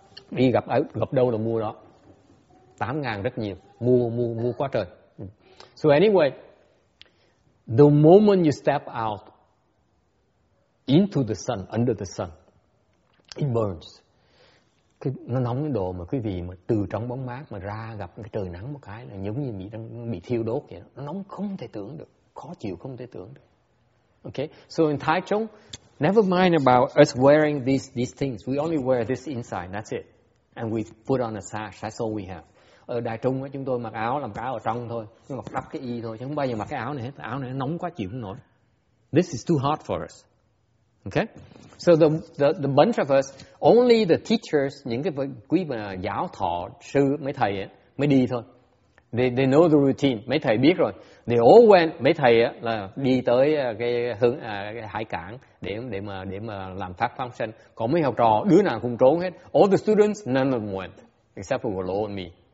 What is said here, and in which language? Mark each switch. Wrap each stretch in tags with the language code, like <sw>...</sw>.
<vi>Đi gặp đâu là mua đó. 8,000 rất nhiều, mua quá trời.</vi> <en>So anyway, the moment you step out into the sun, under the sun, it burns.</en> <vi>Nó nóng đến độ mà quý vị mà từ trong bóng mát mà ra gặp cái trời nắng một cái là giống như bị thiêu đốt vậy đó. Nó nóng không thể tưởng được, khó chịu không thể tưởng được.</vi> <en>Okay, so in Thái Trung, never mind about us wearing these things. We only wear this inside, that's it. And we put on a sash, that's all we have.</en> <vi>Ở Đại Trung ấy, chúng tôi mặc áo làm cái áo ở trong thôi, nhưng mà đắp cái y thôi, chứ không bao giờ mặc cái áo này hết. Áo này nó nóng quá chịu không nổi.</vi> <en>This is too hot for us. Okay, so the bunch of us, only the teachers,</en> <vi>những cái quý giáo thọ sư mấy thầy ấy, mới đi thôi.</vi> <en>They know the routine,</en> <vi>mấy thầy biết rồi.</vi> <en>They all went,</en> <vi>mấy thầy ấy, là đi tới cái hải cảng để mà làm pháp phóng sanh. Còn mấy học trò đứa nào cũng trốn hết.</vi> <en>All the students none of them went except for Lo and me.</en>